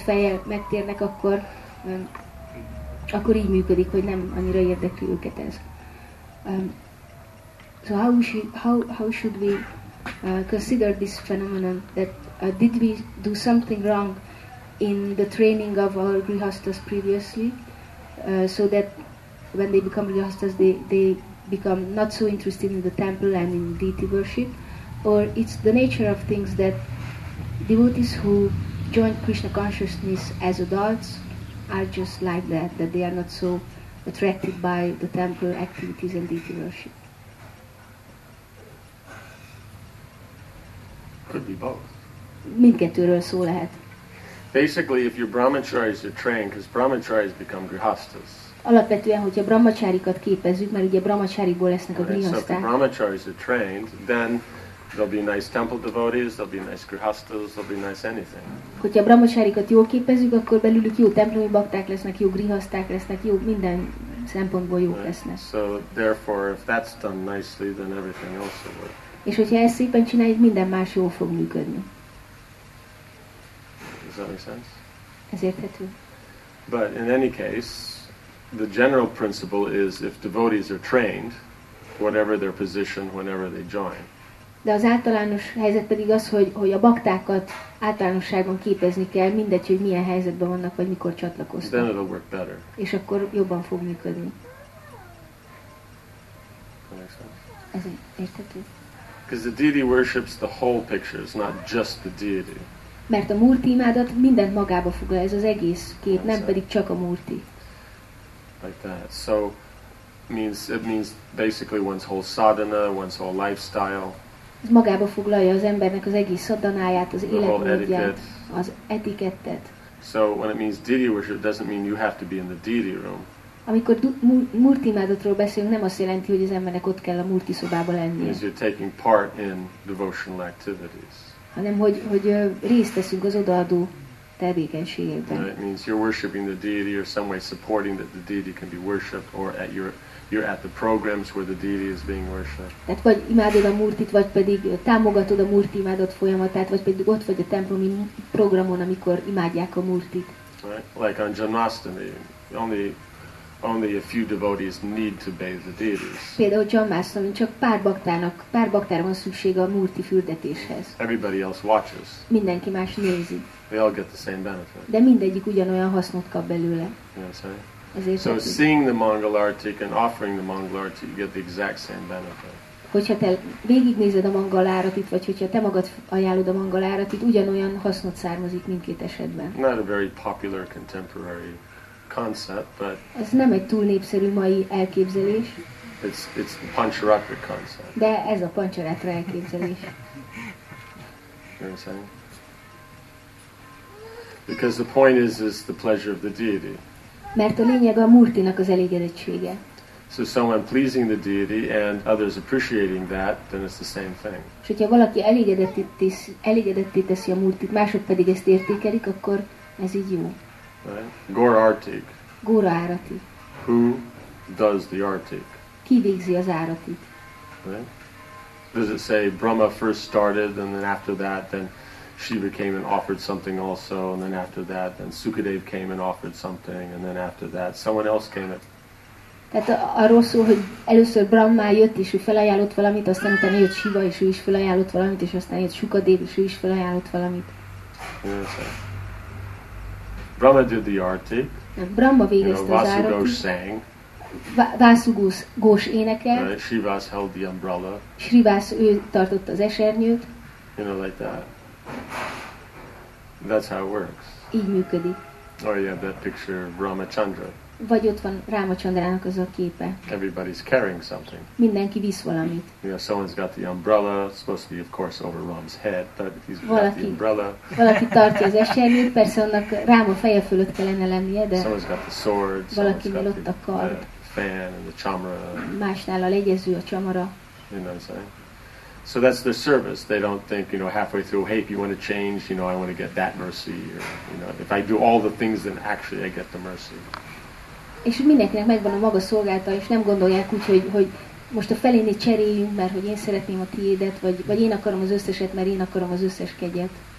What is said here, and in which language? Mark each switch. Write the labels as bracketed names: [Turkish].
[Hungarian] fejjel megtérnek, akkor, akkor így működik, hogy nem annyira érdekli őket ez. [English] So how should we consider this phenomenon, that did we do something wrong in the training of our grihasthas previously, so that when they become grihasthas, they become not so interested in the temple and in deity worship. Or it's the nature of things that devotees who join Krishna consciousness as adults are just like that, that they are not so attracted by the temple activities and deity worship. Could be both. [Hungarian] Mindkettőről szó lehet. [English] Basically, if your brahmacharis are trained, because brahmacharis become grihasthas. [Hungarian] Alapvetően, hogyha brahmacharikat képezzük, mert ugye brahmacharikból lesznek a grihaszták. [English] So if the brahmacharis are trained, then there'll be nice temple devotees, there'll be nice grihasthas, there'll be nice anything. [Hungarian] Hogyha brahmacharikat jól képezzük, akkor belülük jó templomi bakták lesznek, jó grihaszták lesznek, jó minden szempontból jók lesznek. [English] So therefore, if that's done nicely, then everything else will work. [Hungarian] És hogyha ezt szépen csináljuk, minden más jól fog működni. [English] Does that make sense? [Hungarian] Ez érthető. [English] But in any case, the general principle is if devotees are trained, whatever their position, whenever they join. [Hungarian] De az általános helyzet pedig az, hogy a baktákat általánosságban képezni kell, mindegy, hogy milyen helyzetben vannak, vagy mikor csatlakoztak. [English] Then it'll work better. [Hungarian] És akkor jobban fog működni. Ez érthető. [English] Because the deity worships the whole picture, it's not just the deity. [Hungarian] Mert a murti imádat mindent magába foglal, ez az egész kép, nem pedig csak a murti. [English] Like that. So it means basically one's whole sadhana, one's whole lifestyle. [Hungarian] Ez magába foglalja az embernek az egész szadanáját, az életmódját, az etikettet. [English] So when it means deity worship, it doesn't mean you have to be in the deity room. [Hungarian] Amikor murti imádatról beszélünk, nem azt jelenti, hogy az embernek ott kell a murti szobába lennie. [English] Because you're taking part in devotional activities. [Hungarian] Hanem hogy részt veszünk az odaadó tevékenységében. [English] It means you're worshiping the deity or some way supporting that the deity can be worshipped, or at you're at the programs where the deity is being worshipped. [Hungarian] Tehát vagy imádod a murtit, vagy pedig támogatod a murti imádat folyamatát, vagy pedig ott vagy a templomi programon, amikor imádják a murtit. [English] Right? Like on Janmashtami, only a few devotees need to bathe the deities. [Hungarian] Például Janmashtami, csak pár baktára van szüksége a murti fürdetéshez. [English] Everybody else watches. [Hungarian] Mindenki más nézi. [English] They all get the same benefit. [Hungarian] De mindegyik ugyanolyan hasznot kap belőle. [English] Yes, hey? [Hungarian] Ezért [English] so [Hungarian] tetszik. [English] Seeing the Mangalartik and offering the Mangalartik, you get the exact same benefit. [Hungarian] Hogyha te végignézed a Mangalartit, vagy hogyha te magad ajánlod a Mangalartit, ugyanolyan hasznot származik mindkét esetben. [English] Not a very popular contemporary concept, but [Hungarian] ez nem egy túl népszerű mai elképzelés. [English] It's the Pancharatra concept. [Hungarian] De ez a Pancharatra elképzelés. [English] You know what I'm saying? Because the point is the pleasure of the deity. [Hungarian] Mert a lényeg a murtinak az elégedettsége. [English] So someone pleasing the deity and others appreciating that, then it's the same thing. [Hungarian] És hogyha valaki elégedetté teszi a murtit, mások pedig ezt értékelik, akkor ez így jó. [English] Right? Gaur-artik. [Hungarian] Gaur-arati. [English] Who does the artik? [Hungarian] Ki végzi az áratit? [English] Right? Does it say Brahma first started and then after that then Shiva came and offered something also, and then after that, then Sukadev came and offered something, and then after that, someone else came and... [Hungarian] Tehát arról szól, hogy először Brahma jött, és ő felajánlott valamit, aztán utána jött Shiva, és ő is felajánlott valamit, és aztán jött Sukadev, és ő is felajánlott valamit. [English] Yes, Brahma did the arti. [Hungarian] Brahma végezte az arti. [English] Vasugosh sang. [Hungarian] Vasugosh Ghosh énekel. [English] Shrivas held the umbrella. [Hungarian] Shrivas, ő tartott az esernyőt. [English] You know, like that. That's how it works. [Hungarian] Így működik. [English] Or you have that picture of Ramachandra. [Hungarian] Vagy ott van Ramachandrának az a képe. [English] Everybody's carrying something. [Hungarian] Mindenki visz valamit. [English] You know, someone's got the umbrella, supposed to be of course over Ram's head, but he's got the umbrella. [Hungarian] Valaki tartja az esernyőt, persze annak Ráma feje fölött kellene lennie, de [English] someone's got the sword, [Hungarian] valaki got ott a kard. The [English] fan and the chamara. [Hungarian] Másnál a legyező, a csamara. [English] You know what I'm saying? So that's their service. They don't think, you know, halfway through, hey, if you want to change, you know, I want to get that mercy. Or, you know, if I do all the things, then actually I get the mercy. [Hungarian] És mindenkinek megvan a maga szolgálata, és nem gondolják úgy, hogy most a felén egy cseréljünk, mert hogy én szeretném a tiédet, vagy én akarom az összeset, mert én akarom az összes kegyet.